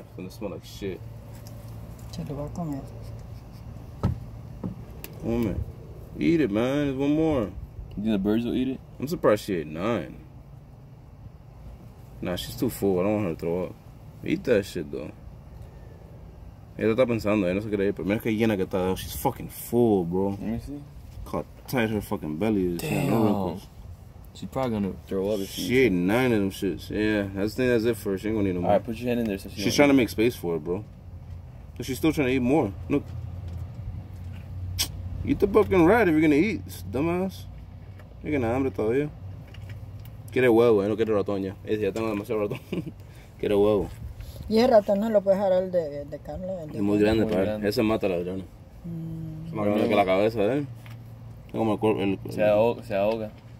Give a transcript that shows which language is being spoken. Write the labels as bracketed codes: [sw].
[en] It's gonna smell like shit. [es] Se lo va a comer. [en] Woman. Eat it, man. There's one more. You think the birds will eat it? I'm surprised she ate 9. Nah, she's too full. I don't want her to throw up. Eat that shit, though. [es] Ella está pensando, no sé qué decir, pero mira que llena que está. [en] She's fucking full, bro. Let me see. Caught tight her fucking belly. Damn. She's probably gonna throw up. She ate nine of them shits. Yeah, I just think that's it for her. She ain't gonna need no more. Alright, put your hand in there. So she's trying to make space for it, bro. But she's still trying to eat more. Look. Eat the fucking rat if you're gonna eat, dumbass. You're gonna [es] hambre todavía. Quiere huevo, no quiere ratón ya. Ya tengo demasiado ratón. Quiere huevo. Y el ratón no lo puedes dejar al de Carlos. Es muy grande, padre. Ese mata al ladrón. Es más grande que la cabeza, ¿eh? Es como el cuerpo. Se ahoga.